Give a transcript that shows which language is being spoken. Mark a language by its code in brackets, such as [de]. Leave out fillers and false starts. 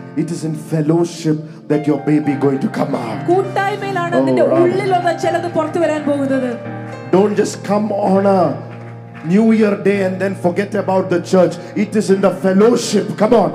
[en] it is in fellowship that your baby going to come out [ml] കൂട്ടായ്മയിലാണ് അതിന്റെ ഉള്ളിലുള്ള ചിലത് പുറത്തു വരാൻ പോകുന്നത് [en] Don't just come on a new year day and then forget about the church it is in the fellowship come on